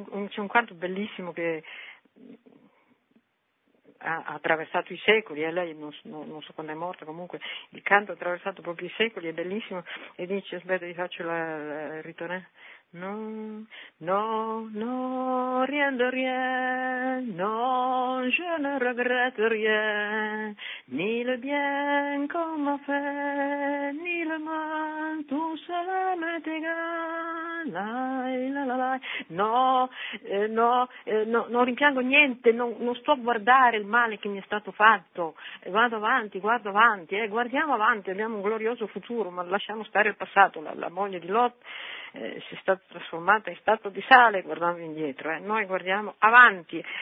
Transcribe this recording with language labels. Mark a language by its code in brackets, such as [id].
[it] C'è un canto bellissimo che ha attraversato i secoli, e lei non so quando è morta, comunque il canto ha attraversato proprio i secoli, è bellissimo, e dice, aspetta, vi faccio la ritornare. [fr] Non je ne regrette rien, ni le bien qu'on m'a fait, ni le mal, tout cela m'est égal, la. [it] Non rimpiango niente, non sto a guardare il male che mi è stato fatto, guardo avanti, guardiamo avanti, abbiamo un glorioso futuro, ma lasciamo stare il passato, la moglie di Lot, si è stata trasformata in stato di sale guardando indietro, noi guardiamo avanti.